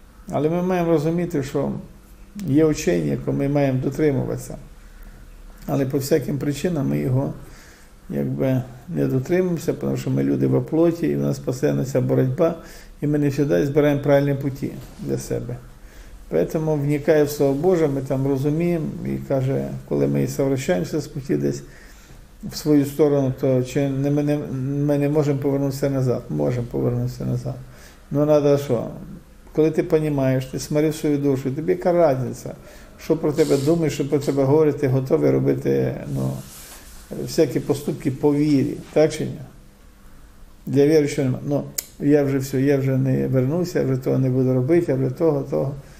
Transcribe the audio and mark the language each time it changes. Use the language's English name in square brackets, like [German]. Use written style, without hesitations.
[Ukrainian] Але ми маємо розуміти, що є учення, яке ми маємо дотримуватися. Але по всяким причинам ми його якби не дотримуємося, тому що ми люди во плоті, і в нас постійно ця боротьба, і ми не завжди збираємо правильні путі для себе. [Russian] Поэтому, вникая в Слово Боже, мы там разумеем и каже, когда мы совращаемся с пути десь в свою сторону, то чи мы не можем повернуться назад? Можем повернуться назад. Но надо что? К [Ukrainian] коли ти розумієш, ти смирив свою душу, тобі яка різниця, що про тебе думаєш, що про тебе говорить, ти готовий робити ну, всякі поступки по вірі, так чи ні? Для віруючого нема. Ну, я вже все, я вже не вернуся, я вже того не буду робити, я вже того, того.